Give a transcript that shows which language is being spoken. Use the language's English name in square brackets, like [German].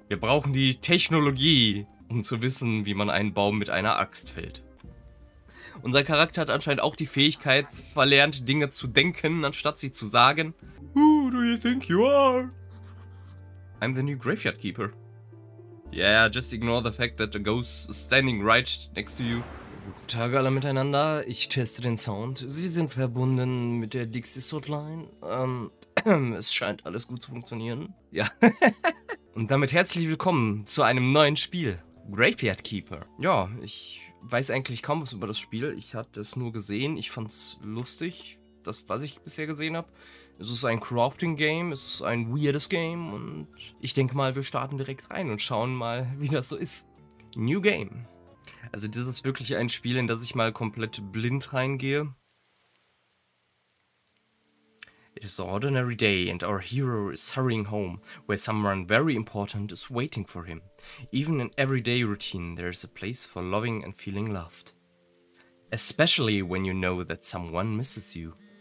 [German] Wir brauchen die Technologie, um zu wissen, wie man einen Baum mit einer Axt fällt. Unser Charakter hat anscheinend auch die Fähigkeit verlernt, Dinge zu denken, anstatt sie zu sagen. [English] Who do you think you are? I'm the new graveyard keeper. Yeah, just ignore the fact that a ghost is standing right next to you. [German] Guten Tag alle miteinander, ich teste den Sound. Sie sind verbunden mit der Dixie-Sortline. Es scheint alles gut zu funktionieren. Ja. Und damit herzlich willkommen zu einem neuen Spiel. Graveyard Keeper. Ja, ich weiß eigentlich kaum was über das Spiel. Ich hatte es nur gesehen. Ich fand es lustig, das, was ich bisher gesehen habe. Es ist ein Crafting-Game, es ist ein weirdes Game. Und ich denke mal, wir starten direkt rein und schauen mal, wie das so ist. New Game. Also das ist wirklich ein Spiel, in das ich mal komplett blind reingehe. [English] It is an ordinary day and our hero is hurrying home, where someone very important is waiting for him. Even in everyday routine, there is a place for loving and feeling loved. Especially when you know that someone misses you.